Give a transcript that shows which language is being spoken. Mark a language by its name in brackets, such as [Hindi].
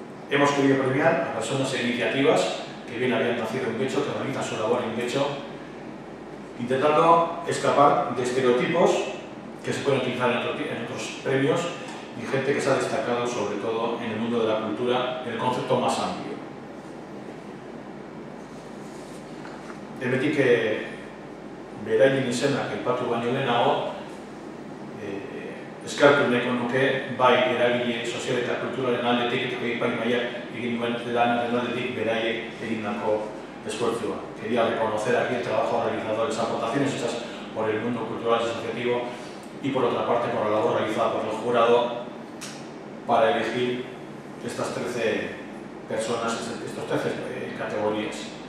[Spanish] Hemos querido premiar a personas e iniciativas que bien habían nacido en Getxo, que realizan su labor en Getxo, intentando escapar de estereotipos que se pueden utilizar en otros premios y gente que se ha destacado sobre todo en el mundo de la cultura, en el concepto más amplio. [Basque] Emetí que beraien izenak aipatu baino lehenago, eskartu nahiko nuke bai eragile sozial eta kulturaren aldetik eta bai epaimahaiak egin duen lanaren aldetik beraiek egindako esfortzua. [Spanish] Quería reconocer aquí el trabajo realizado de las aportaciones hechas por el mundo cultural y asociativo y por otra parte por la labor realizada por el jurado para elegir estas 13 personas, estas 13 categorías.